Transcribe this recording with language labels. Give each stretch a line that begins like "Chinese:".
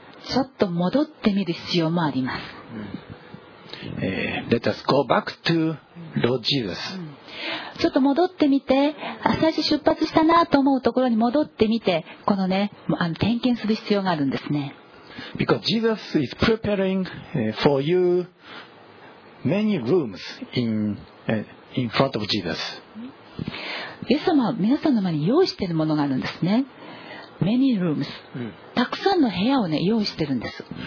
Japanese: ちょっと戻ってみる必要もあります。
English: Let us go back to Lord Jesus.
Japanese: ちょっと戻ってみて、最初出発したなと思うところに戻ってみて、このね、点検する必要があるんですね。
English: Because Jesus is preparing for you many rooms in front of Jesus.
Japanese: イエス様は皆さんの前に用意しているものがあるんですね。
English: Many rooms.
Japanese: たくさんの部屋を、ね、用意しているんです。